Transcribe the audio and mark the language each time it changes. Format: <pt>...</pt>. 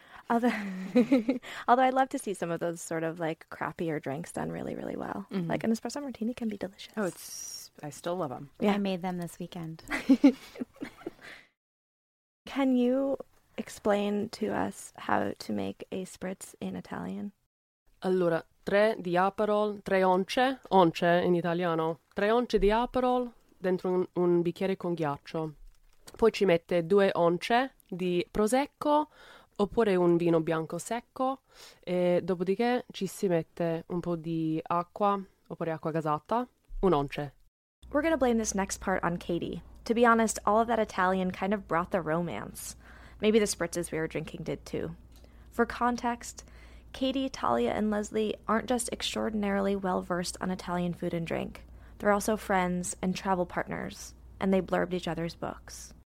<en>Although I'd love to see some of those sort of like crappier drinks done really, really well. Mm-hmm. Like an espresso martini can be delicious. Oh, it's, I still love them. Yeah. I made them this weekend. Can you explain to us how to make a spritz in Italian?</en> <it>Allora, tre di Aperol, tre once, once in italiano. Tre once di Aperol dentro un bicchiere con ghiaccio. Poi ci mette due once di Prosecco oppure un vino bianco secco. E dopodiché ci si mette un po' di acqua oppure acqua gasata, un once.</it> <en>We're going to blame this next part on Katie. To be honest, all of that Italian kind of brought the romance. Maybe the spritzes we were drinking did too. For context, Katie, Talia, and Leslie aren't just extraordinarily well-versed on Italian food and drink. They're also friends and travel partners, and they blurbed each other's books.</en>